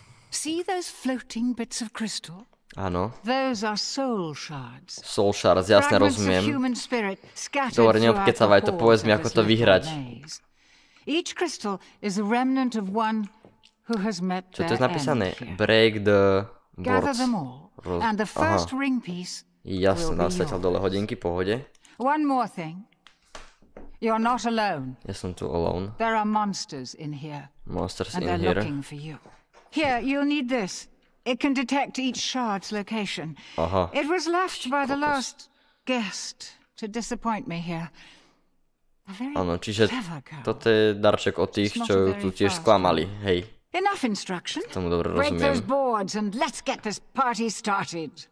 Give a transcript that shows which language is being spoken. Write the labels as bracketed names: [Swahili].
[English] See those floating bits of crystal? [Slovak] Áno. [English] Those are soul shards. Soul shards, [Slovak] jasne, rozumiem. Dobre, neobkecavaj to, povedz mi, ako to vyhrať. [English] Each crystal is a remnant of one who has met their end. [Slovak] Čo to je napísané? [English] Break the boards. Gather them all. And the first ring piece. [Slovak] Jasne, nasvetel dole hodinky, pohode. [English] One more thing. You're not alone. [Slovak] Ja som tu alone. [English] There are monsters in here. Monsters in here. And they're looking for you. Here, you'll need this. It can detect each shard's location. [Slovak] Aha. [English] It was left by the last guest to disappoint me here. [Slovak] Áno, čiže toto je darček od tých, čo tu tiež sklamali. Hej. [English] Enough instruction. [Slovak] Tomu dobre rozumiem. [English] Break those boards and let's get this party started.